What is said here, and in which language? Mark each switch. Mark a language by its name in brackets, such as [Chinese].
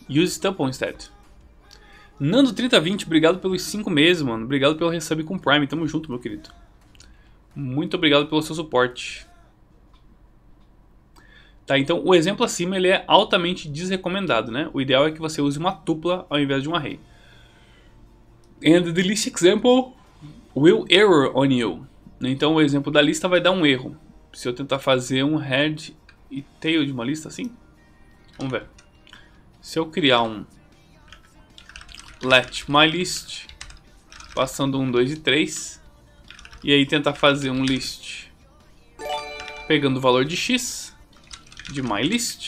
[English] Use tuple instead. [Portuguese] Nando3020, obrigado pelos 5 meses, mano. Obrigado pelo resub com Prime. Tamo junto, meu querido. Muito obrigado pelo seu suporte. Tá, então o exemplo acima ele é altamente desrecomendado, né? O ideal é que você use uma tupla ao invés de um array. [English] And the list example will error on you. [Portuguese] Então o exemplo da lista vai dar um erro. Se eu tentar fazer um head e tail de uma lista assim. Vamos ver. Se eu criar um let myList passando 1, 2 e 3 e aí tentar fazer um list pegando o valor de x de myList.